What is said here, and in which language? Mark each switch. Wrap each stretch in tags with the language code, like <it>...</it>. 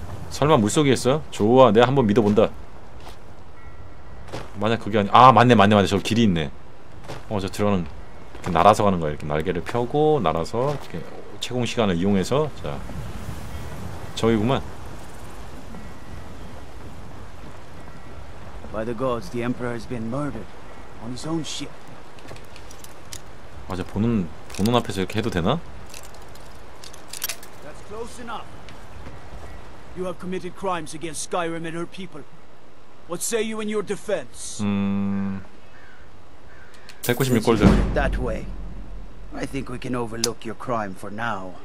<ko>설마 물속이겠어? 좋아. 내가 한번 믿어 본다. 만약 그게 아니 아, 맞네. 저 길이 있네. 저 들어가는 이렇게 날아서 가는 거야. 이렇게 날개를 펴고 날아서 이렇게 채공 시간을 이용해서 자 저기구만.</ko> <en>By the gods, the emperor has been murdered on his own ship.</en> <ko>맞아 보는 앞에서 이렇게 해도 되나?</ko> <en>That's close enough. You have committed crimes against Skyrim and her people. What say you in your defense?</en> <ko>196골드.</ko> <en>That way. I think we can overlook your crime for now.</en>